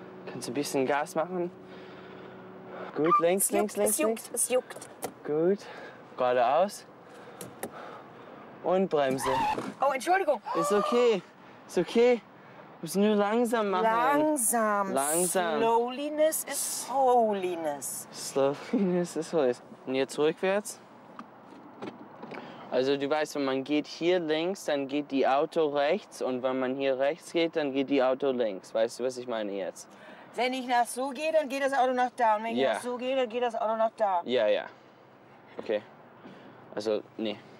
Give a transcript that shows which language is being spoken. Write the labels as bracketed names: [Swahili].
[German] Kannst du ein bisschen Gas machen? Gut, links, links, links. Es juckt, es juckt. Gut, geradeaus. Und Bremse. Oh, Entschuldigung. Ist okay, ist okay. Muss nur langsam machen. Langsam. Langsam. [English] Slowliness is holiness. Slowliness is holiness. [German] Und jetzt rückwärts. Also du weißt, wenn man geht hier links, dann geht die Auto rechts. Und wenn man hier rechts geht, dann geht die Auto links. Weißt du, was ich meine jetzt? Wenn ich nach so gehe, dann geht das Auto nach da. Und wenn ich nach so gehe, dann geht das Auto nach da. Ja, ja. Okay. Also, nee.